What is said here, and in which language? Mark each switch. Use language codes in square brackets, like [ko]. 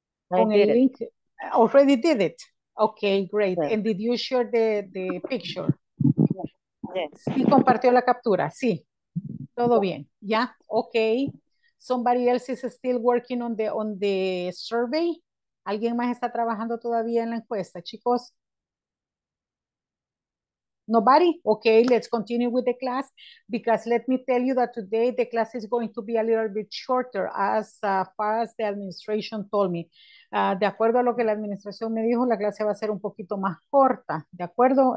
[en] I did it. Already did it. Okay, great. Yeah. And did you share the picture? Yes. [es] Sí, compartió la captura. Sí. Todo bien. [en] Yeah. Okay. Somebody else is still working on the survey. [es] ¿Alguien más está trabajando todavía en la encuesta, chicos? [en] Nobody? Okay, let's continue with the class because let me tell you that today the class is going to be a little bit shorter as far as the administration told me. [es] De acuerdo a lo que la administración me dijo, la clase va a ser un poquito más corta, ¿de acuerdo?